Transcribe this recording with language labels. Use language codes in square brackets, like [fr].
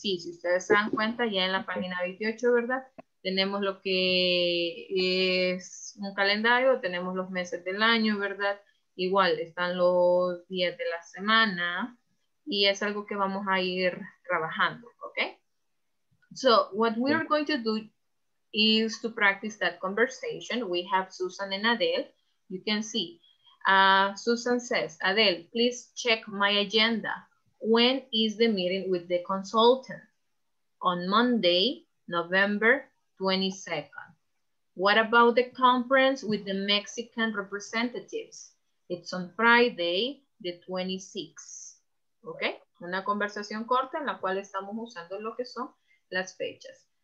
[es] Sí, si ustedes se dan cuenta, ya en la página 28, ¿verdad? Tenemos lo que es un calendario, tenemos los meses del año, ¿verdad? Igual están los días de la semana y es algo que vamos a ir trabajando, ¿ok? [en] So what we are going to do is to practice that conversation. We have Susan and Adele. You can see Susan says, Adele, please check my agenda. When is the meeting with the consultant? On Monday, November 22nd. What about the conference with the Mexican representatives? It's on Friday, the 26th. [es] Okay, una conversación corta en la cual estamos usando lo que son las fechas.